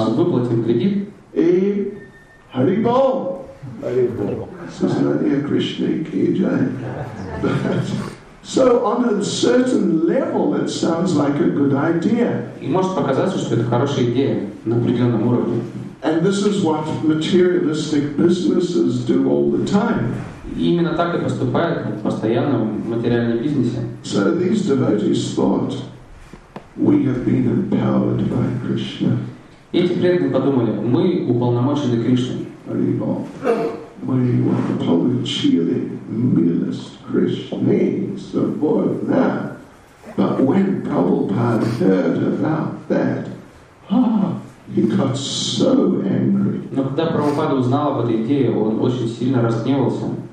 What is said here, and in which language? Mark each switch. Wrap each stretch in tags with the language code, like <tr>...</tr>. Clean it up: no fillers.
<ru>Выплатим кредит.</ru> <sa>И Hari Bol. Hari Bol.</sa> <ru>Сознание Кришны ки джай.</ru> <en>So on a certain level, it sounds like a good idea.</en> <ru>И может показаться, что это хорошая идея на определенном уровне.</ru> <en>And this is what materialistic businesses do all the time.</en> <ru>И именно так и поступают постоянно в материальном бизнесе.</ru> <en>So these devotees thought, we have been empowered by Krishna.</en> <ru>И эти преданные подумали, мы уполномочены Кришной. Hari Bol. Мы получили милость Кришны,</ru> <en>support that. But when Prabhupada heard about that, he got so angry.</en> <ru>Но когда Прабхупада узнал об этой идее, он очень сильно разгневался.</ru>